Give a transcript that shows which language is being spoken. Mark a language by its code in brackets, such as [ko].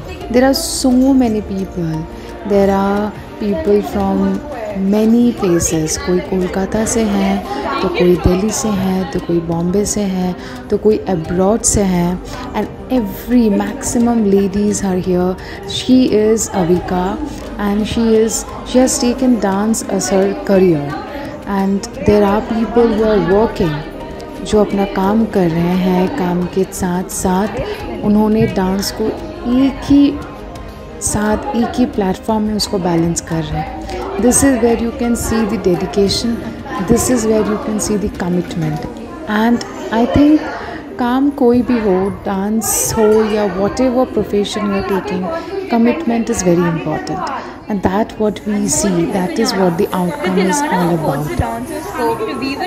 [en] There are so many people. There are people from many places. [hi] कोई कोलकाता से हैं, तो कोई दिल्ली से हैं, तो कोई बॉम्बे से हैं, तो कोई अब्रॉड से हैं। [en] And every maximum ladies are here. She is Avika, and she has taken dance as her career. And there are people who are working. [hi] जो अपना काम कर रहे हैं, काम के साथ साथ उन्होंने डांस को एक ही साथ एक ही प्लेटफॉर्म में उसको बैलेंस कर रहे हैं। [en] This is where you can see the dedication, this is where you can see the commitment. And I think [hi] काम कोई भी हो, डांस हो या [en] Whatever profession you are taking, commitment is very important, and that what we see, that is what the outcome is all about.